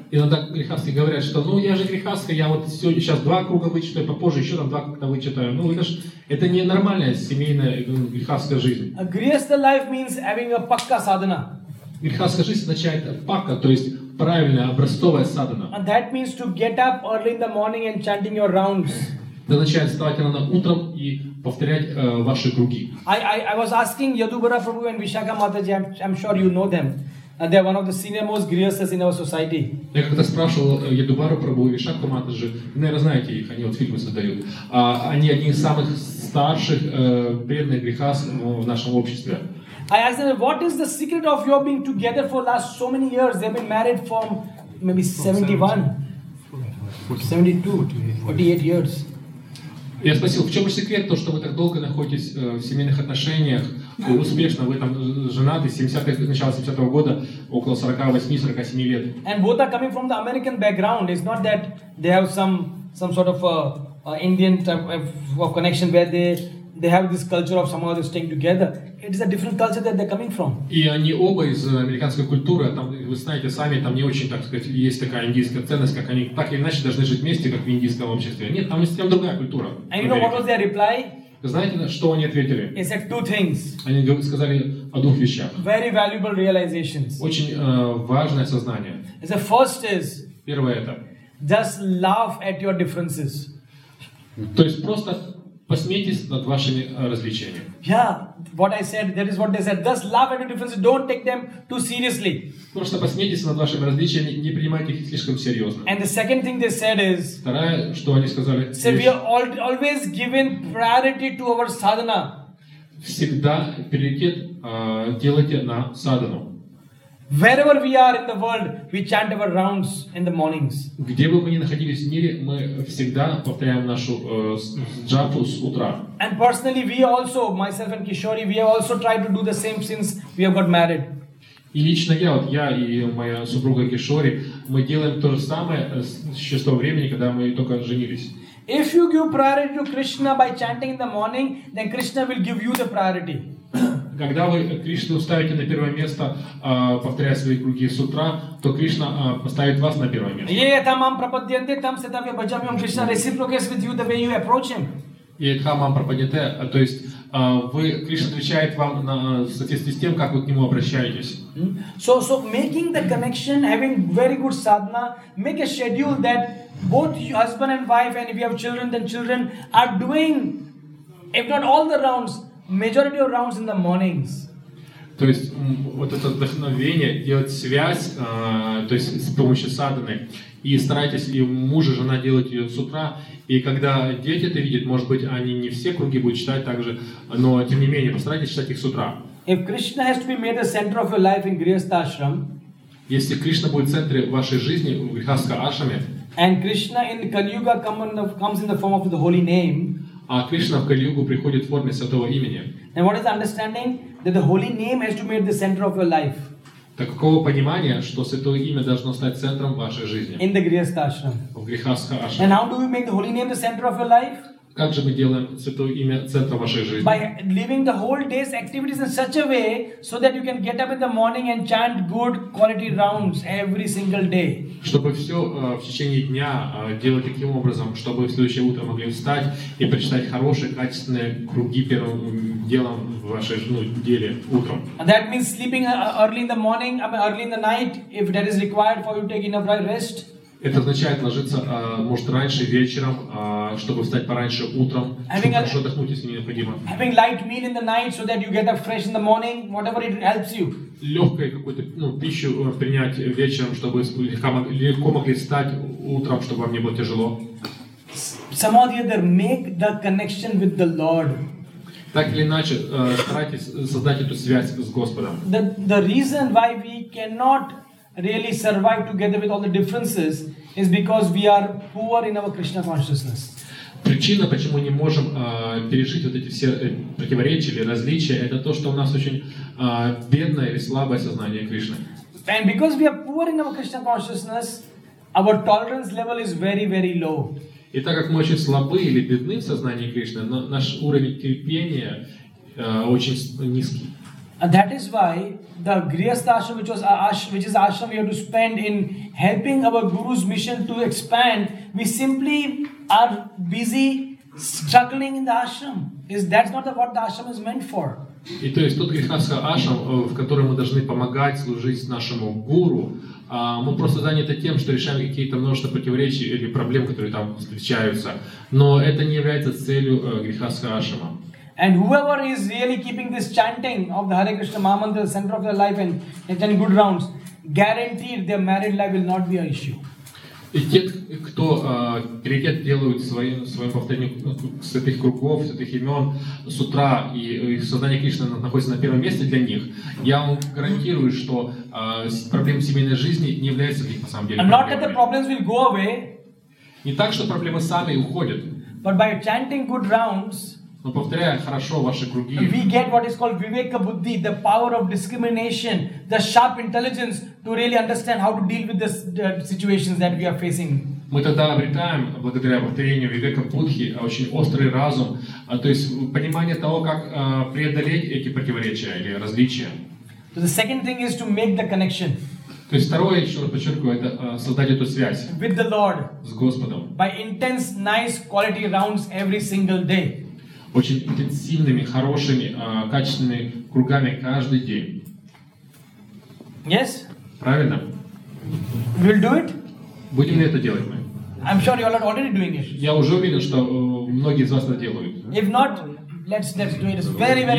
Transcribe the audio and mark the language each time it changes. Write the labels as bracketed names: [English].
[Russian] Иногда грихастхи говорят, что, ну, я же грихастха, я вот сегодня сейчас два круга вычитаю, попозже еще там два круга вычитаю. Ну, это не нормальная семейная грихастха жизнь. [English] A grihastha life means having a pakka sadhana. [Russian] Грихастха жизнь означает пакка, то есть правильная образцовая садхана. [English] And that means to get up early in the morning and chanting your rounds. [Russian] Это означает вставать рано утром и повторять ваши круги. [English] I was asking Yadubara Prabhu and Vishakha Mataji, I'm sure you know them. And they are one of the senior most grihasthas in our society. [Russian] Я когда спрашивал Ядубару про Бхувишак Куматы же, наверное, знаете их, они вот фильмы создают. Они одни из самых старших преданных грихас в нашем обществе. [English] I asked them, what is the secret of your being together for last so many years? They've been married for maybe 71, 72, 48 years. [Russian] Я спросил, в чем же секрет то, что вы так долго находитесь в семейных отношениях, успешно вы там женаты, начало 70-го года, около 48-47 лет. [English] And both are coming from the American background. It's not that they have some sort of Indian type of connection where they have this culture of somehow staying together. It is a different culture that they're coming from. [Russian] И они оба из американской культуры, а там, вы знаете сами, там не очень, так сказать, есть такая индийская ценность, как они так или иначе должны жить вместе, как в индийском обществе. Нет, там есть там другая культура. [English] And you know what was their reply? [Russian] Знаете, что они ответили? [English] They said two things. [Russian] Они сказали о двух вещах. [English] Very valuable realizations. [Russian] Очень важное сознание. [English] The first is. [Russian] Первое это. [English] Just laugh at your differences. [Russian] То есть просто посмейтесь над вашими различиями. [English] Yeah, what I said, that is what they said. Just laugh at your differences, don't take them too seriously. [Russian] Просто посмейтесь над вашими различиями, не принимайте их слишком серьезно. [English] And the second thing they said is. [Russian] Второе, что они сказали. [English] So we are always given priority to our sadhana. [Russian] Всегда приоритет делайте на садхану. [English] Wherever we are in the world, we chant our rounds in the mornings. [Russian] Где бы мы ни находились в мире, мы всегда повторяем нашу джапу с утра. [English] And personally, we also, myself and Kishori, we have also tried to do the same since we have got married. [Russian] И лично я, вот я и моя супруга Кишори, мы делаем то же самое с того времени, когда мы только женились. [English] If you give priority to Krishna by chanting in the morning, then Krishna will give you the priority. [Russian] Когда вы Кришну ставите на первое место, повторяя свои круги с утра, то Кришна поставит вас на первое место. [Sanskrit] Етамам прападьянте, там седам я баджам, [Russian] и он Кришна [English] reciprocates with you the way you approach him. [Sanskrit] Етамам прападьянте, [Russian] то есть вы Кришна отвечает вам на соответствии с тем, как вы к нему обращаетесь. [English] So making the connection, having very good sadhana, make a schedule that both husband and wife, and if you have children, then children are doing, if not all the rounds. Majority of rounds in the mornings. [Russian] То есть вот это вдохновение делать связь, то есть с помощью садханы, и старайтесь и муж и жена делать ее с утра, и когда дети это видят, может быть, они не все круги будут читать также, но тем не менее постарайтесь читать их с утра. [English] If Krishna has to be made the center of your life in Grihastha Ashram. [Russian] Если Кришна будет в центре вашей жизни в Грихастха Ашраме. [English] And Krishna in Kali Yuga comes in the form of the holy name. [Russian] А Кришна в Кали-Югу приходит в форме Святого Имени. [English] And what is the understanding? That the holy name has to be at the center of your life. [Russian] Так какого понимания, что Святое Имя должно стать центром вашей жизни? [English] In the Grihastha Ashram. [Russian] В Грихастха Ашраме. [English] And how do we make the holy name the center of your life? [Russian] Как же мы делаем Святое Имя центром вашей жизни? [English] By living the whole day's activities in such a way, so that you can get up in the morning and chant good quality rounds every single day. [Russian] Чтобы все в течение дня делать таким образом, чтобы в следующее утро могли встать и прочитать хорошие, качественные круги первым делом в вашей деле утром. [English] That means sleeping early in the morning, early in the night, if that is required for you to take enough rest. [Russian] Это означает ложиться, может, раньше вечером, чтобы встать пораньше утром, чтобы хорошо отдохнуть, если необходимо. [English] Having light meal in the night so that you get up fresh in the morning, whatever it helps you. [Russian] Легкую какую-то пищу принять вечером, чтобы легко могли встать утром, чтобы вам не было тяжело. [English] Somehow or other, make the connection with the Lord. [Russian] Так или иначе, старайтесь создать эту связь с Господом. [English] The reason why we cannot really survive together with all the differences is because we are poor in our Krishna consciousness. [Russian] Причина, почему мы не можем пережить вот эти все противоречия или различия, это то, что у нас очень бедное или слабое сознание Кришны. [English] And because we are poor in our Krishna consciousness, our tolerance level is very, very low. [Russian] И так как мы очень слабы или бедны в сознании Кришны, наш уровень терпения очень низкий. [English] And that is why the Grihastha Ashram, which is ashram we have to spend in helping our Guru's mission to expand, we simply are busy struggling in the ashram. Is that's not what the ashram is meant for? [Russian] И то есть тот Грихастха Ашрам, в котором мы должны помогать служить нашему Гуру, мы просто заняты тем, что решаем какие-то множество противоречий или проблем, которые там встречаются. Но это не является целью Грихастха Ашрама. [English] And whoever is really keeping this chanting of the Hare Krishna Mahamantra, the center of their life and chanting good rounds, guaranteed their married life will not be an issue. [Russian] И те, кто приоритет делают своим повторением святых кругов, святых имен с утра, и сознание Кришны находится на первом месте для них, я вам гарантирую, что проблемы семейной жизни не являются для них на самом деле проблемой. [English] And not that the problems will go away. [Russian] Не так, что проблемы сами уходят. [English] But by chanting good rounds, [Russian] но повторяя хорошо ваши круги, [English] we get what is called Viveka Buddhi, the power of discrimination, the sharp intelligence to really understand how to deal with the situations that we are facing. [Russian] Мы тогда обретаем, благодаря повторению Viveka Buddhi, очень острый разум, то есть понимание того, как преодолеть эти противоречия или различия. [English] So the second thing is to make the connection. [Russian] То есть второе, еще раз подчеркиваю, это создать эту связь [English] with the Lord, [Russian] с Господом. [English] By intense, nice quality rounds every single day. [Russian] Очень интенсивными, хорошими, качественными кругами каждый день. [English] Yes? [Russian] Правильно. [English] We'll do it? [Russian] Будем ли это делать мы? [English] I'm sure you all are already doing it. [Russian] Я уже уверен, что многие из вас это делают. [English] If not, let's do it. It's very, very